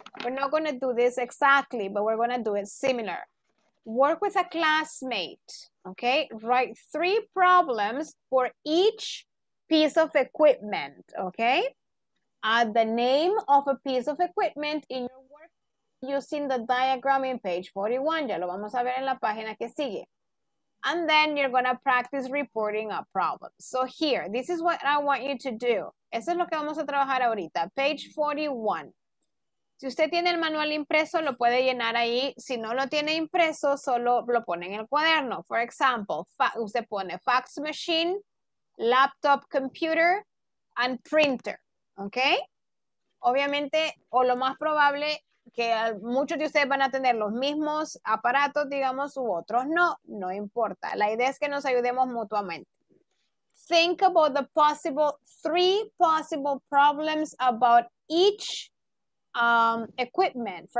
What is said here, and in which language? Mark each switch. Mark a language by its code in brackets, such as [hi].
[en] We're not going to do this exactly, but we're going to do it similar. Work with a classmate, okay? Write three problems for each piece of equipment, okay? Add the name of a piece of equipment in your work using the diagram in page 41. [es] Ya lo vamos a ver en la página que sigue. [en] And then you're going to practice reporting a problem. So here, this is what I want you to do. [es] Eso es lo que vamos a trabajar ahorita. Page 41. Si usted tiene el manual impreso, lo puede llenar ahí. Si no lo tiene impreso, solo lo pone en el cuaderno. [en] For example, [es] usted pone [en] fax machine, laptop computer, and printer. ¿Ok? [es] Obviamente, o lo más probable, que muchos de ustedes van a tener los mismos aparatos, digamos, u otros no, no importa. La idea es que nos ayudemos mutuamente. [en] Think about the possible, three possible problems about each equipment.